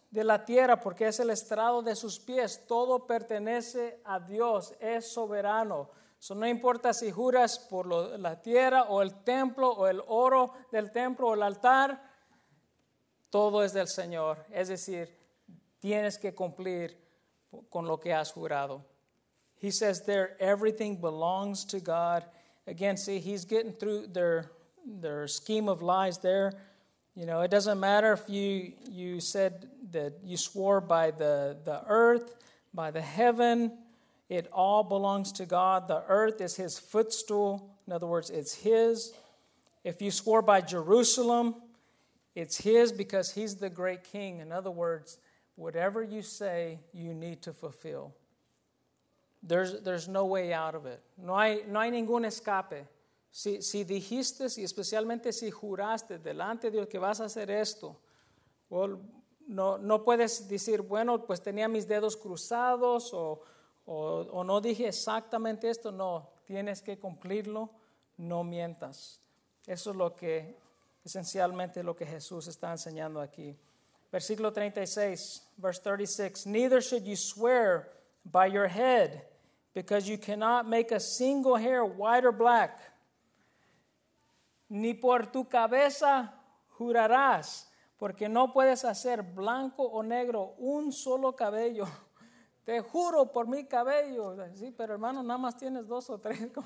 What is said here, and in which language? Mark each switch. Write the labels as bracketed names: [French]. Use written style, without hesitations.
[Spanish] De la tierra, porque es el estrado de sus pies. Todo pertenece a Dios, es soberano. So, no importa si juras por la tierra o el templo o el oro del templo o el altar, todo es del Señor. Es decir, tienes que cumplir con lo que has jurado. [English] He says there, everything belongs to God. Again, see, he's getting through their scheme of lies there. You know, it doesn't matter if you said that you swore by the earth, by the heaven. It all belongs to God. The earth is his footstool. In other words, it's his. If you swore by Jerusalem, it's his because he's the great king. In other words, whatever you say, you need to fulfill. There's no way out of it. [Spanish] No hay ningún escape. Si dijiste, y especialmente si juraste delante de Dios que vas a hacer esto, well, no puedes decir, bueno, pues tenía mis dedos cruzados, o o no dije exactamente esto, no, tienes que cumplirlo, no mientas. Eso es lo que, esencialmente, lo que Jesús está enseñando aquí. Versículo 36, [English] verse 36, neither should you swear by your head, because you cannot make a single hair white or black. [Spanish] Ni por tu cabeza jurarás, porque no puedes hacer blanco o negro un solo cabello. Te juro por mi cabello. Sí, pero hermano, nada más tienes dos o tres.